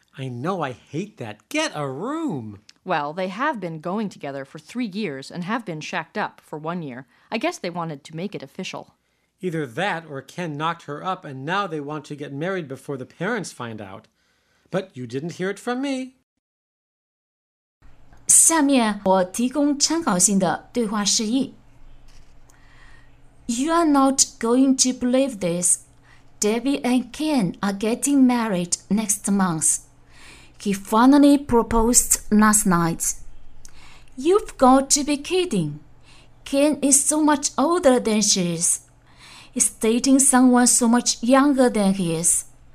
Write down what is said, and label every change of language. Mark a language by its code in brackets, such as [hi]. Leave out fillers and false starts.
[en] I know, I hate that. Get a room! Well, they have been going together for 3 years and have been shacked up for 1 year. I guess they wanted to make it official. Either that or Ken knocked her up and now they want to get married before the parents find out. But you didn't hear it from me. [zh] 下面我提供参考性的对话示意。 [en] You are not going to believe this. Debbie and Ken are getting married next month. He finally proposed last night. You've got to be kidding. Ken is so much older than she is. He's dating someone so much younger than he is.